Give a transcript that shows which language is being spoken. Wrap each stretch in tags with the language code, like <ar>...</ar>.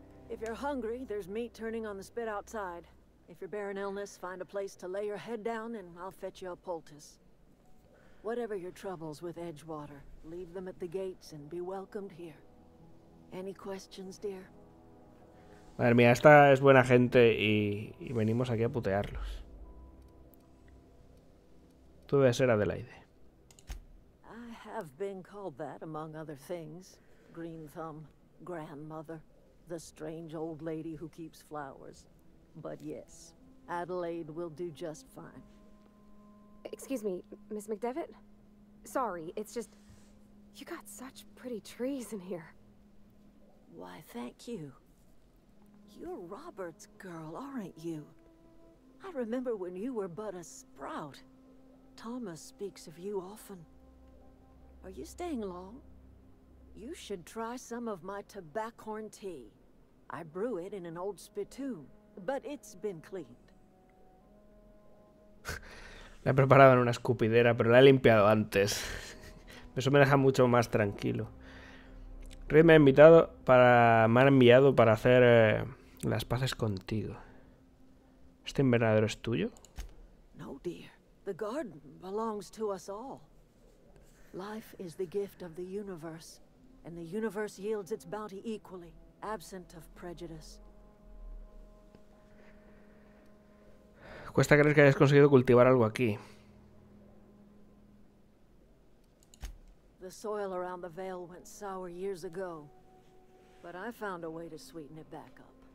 <en>If you're hungry, there's meat turning on the spit outside. If you're bearing illness, find a place to lay your head down and I'll fetch you a poultice. Whatever your troubles with Edgewater, leave them at the gates and be welcomed here. Any questions, dear?</en> <es>Madre mía, esta es buena gente y venimos aquí a putearlos. Tú debes ser Adelaide.</es> <en>I have been called that among other things. Green thumb, grandmother. The strange old lady who keeps flowers. But yes, Adelaide will do just fine. Excuse me, Miss McDevitt? Sorry, it's just... You got such pretty trees in here. Why, thank you. You're Robert's girl, aren't you? I remember when you were but a sprout. Thomas speaks of you often. Are you staying long? You should try some of my tobaccorn tea. I brew it in an old spittoon, but it's been cleaned.</en> <es>La he preparado en una escupidera, pero la he limpiado antes. Eso me deja mucho más tranquilo. Reed me ha invitado para... Me ha enviado para hacer las paces contigo. ¿Este invernadero es tuyo?</es> <en>No, dear. The garden belongs to us all. Life is the gift of the universe. and the universe yields its bounty equally, absent of prejudice.</en> <es>Cuesta creer que hayas conseguido cultivar algo aquí.</es> <en>The soil around the veil went sour years ago, but I found a way to sweeten it back up.</en>